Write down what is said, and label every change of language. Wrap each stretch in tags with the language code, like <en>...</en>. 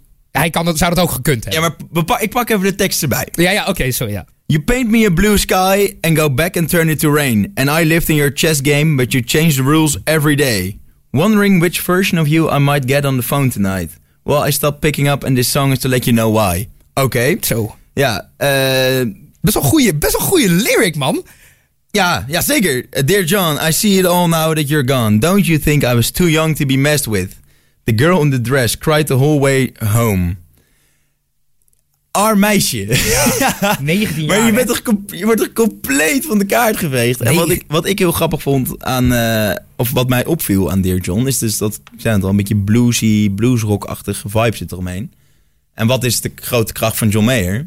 <nl>Hij zou dat ook gekund hebben. Ja, maar ik pak even de tekst erbij. Ja, oké, sorry.</nl> <en>You paint me a blue sky and go back and turn it to rain. And I lived in your chess game, but you change the rules every day. Wondering which version of you I might get on the phone tonight. Well, I stopped picking up and this song is to let you know why.</en> <nl>Oké. Okay. Zo. Ja. Best wel goede lyric, man. Ja, zeker.</nl> <en>Dear John, I see it all now that you're gone. Don't you think I was too young to be messed with? The girl in the dress cried the whole way home.</en> <nl>Arm meisje. Ja, 19 jaar. Maar je wordt toch compleet van de kaart geveegd. Nee. En wat ik heel grappig vond aan... Of wat mij opviel aan Dear John... is dus dat zijn het al een beetje bluesy, bluesrock-achtige vibe zit eromheen. En wat is de grote kracht van John Mayer?</nl>